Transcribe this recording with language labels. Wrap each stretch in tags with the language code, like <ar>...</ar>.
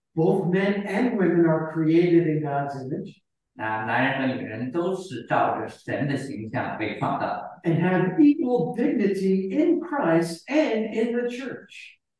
<en>Both men and women are created in God's image.</en> <zh>那男人和女人都是照着神的形象被放到。</zh> <en>And have equal dignity in Christ and in the church.</en>